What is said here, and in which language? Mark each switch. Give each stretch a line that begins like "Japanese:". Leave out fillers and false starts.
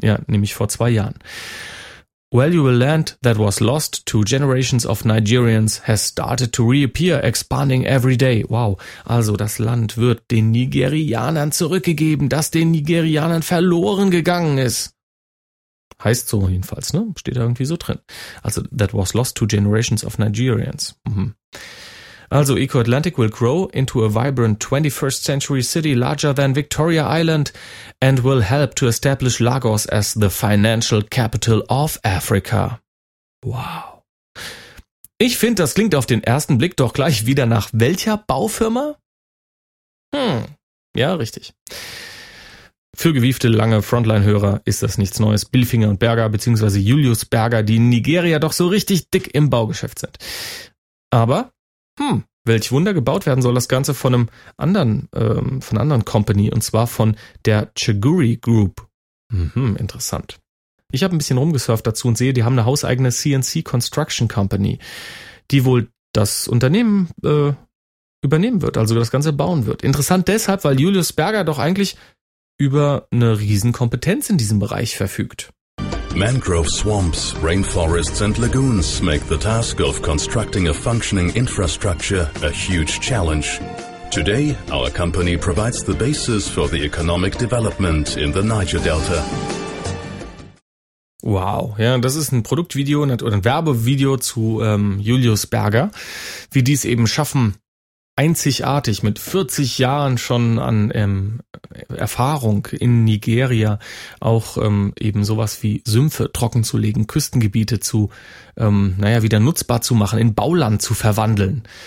German: Ja, nämlich vor 2 Jahren.
English: Valuable land that was lost to generations of Nigerians
German: has started to reappear, expanding every day. Wow, also das Land wird den Nigerianern zurückgegeben, das den Nigerianern verloren gegangen ist. Heißt so jedenfalls, ne? Steht da irgendwie so drin.
English: Also, that was lost to generations of Nigerians. Also, Echo Atlantic will grow into a vibrant 21st century city larger than Victoria Island and will help to establish Lagos as the financial capital of Africa.
German: Wow. Ich finde, das klingt auf den ersten Blick doch gleich wieder nach welcher Baufirma? Ja, richtig. Für gewiefte lange Frontline-Hörer ist das nichts Neues. Bilfinger und Berger bzw. Julius Berger, die in Nigeria doch so richtig dick im Baugeschäft sind. Aber welch Wunder, gebaut werden soll das Ganze von einem anderen, von einer anderen Company, und zwar von der Chiguri Group. Interessant. Ich habe ein bisschen rumgesurft dazu und sehe, die haben eine hauseigene CNC Construction Company, die wohl das Unternehmen übernehmen wird, also das Ganze bauen wird. Interessant deshalb, weil Julius Berger doch eigentlich über eine Riesenkompetenz in diesem Bereich verfügt.
English: Mangrove swamps, rainforests and lagoons make the task of constructing a functioning infrastructure a huge challenge. Today, our company provides the basis for the economic development in the Niger Delta.
German: Wow, ja, das ist ein Produktvideo oder ein Werbevideo zu Julius Berger, wie die es eben schaffen, einzigartig mit 40 Jahren schon an Erfahrung in Nigeria auch eben sowas wie Sümpfe trocken zu legen, Küstengebiete zu, wieder nutzbar zu machen, in Bauland zu verwandeln.